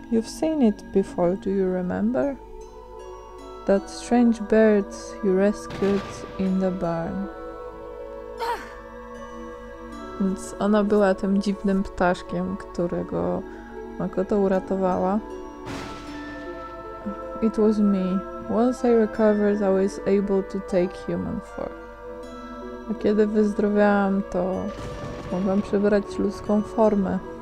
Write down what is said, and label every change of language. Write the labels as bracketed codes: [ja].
[en] You've seen it before, do you remember? That strange bird you rescued in the barn. [pl] Więc ona była tym dziwnym ptaszkiem, którego Makoto uratowała. [en] It was me. Once I recovered, I was able to take human form. [pl] A kiedy wyzdrowiałam, to mogłam przybrać ludzką formę.